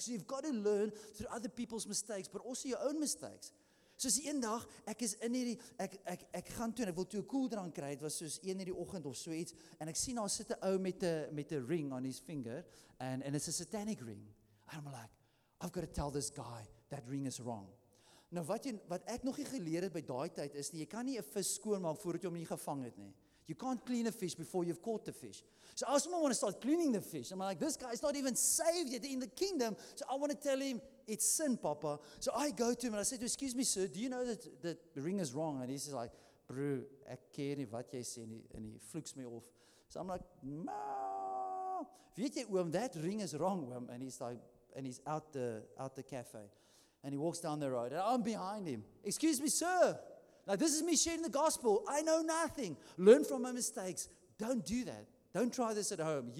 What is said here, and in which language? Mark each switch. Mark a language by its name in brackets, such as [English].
[English] So you've got to learn through other people's mistakes, but also your own mistakes. [Afrikaans] Soos die een dag, ek is in hierdie, ek gaan toe en ek wil toe 'n koeldrank kry, het was soos 1 in die oggend of so iets, en ek sien daar sit 'n ou met 'n ring [English] on his finger, and it's a satanic ring. I'm like, I've got to tell this guy that ring is wrong. [Afrikaans] Nou wat ek nog nie geleer het by daai tyd is nie, jy kan nie 'n vis skoonmaak voordat jy hom nie gevang het nie. [English] You can't clean a fish before you've caught the fish. So I also want to start cleaning the fish. I'm like, this guy is not even saved yet in the kingdom. So I want to tell him, it's sin, papa. So I go to him and I say, excuse me, sir, do you know that the ring is wrong? And he's just like, bro, [Afrikaans] ek keer nie wat jy sê nie. [English] And he flukes me off. So I'm like, no. [Afrikaans] Weet jy, oom, [English] that ring is wrong, oom. And he's like, and he's out the cafe. And he walks down the road. And I'm behind him. Excuse me, sir. Like, this is me sharing the gospel. I know nothing. Learn from my mistakes. Don't do that. Don't try this at home.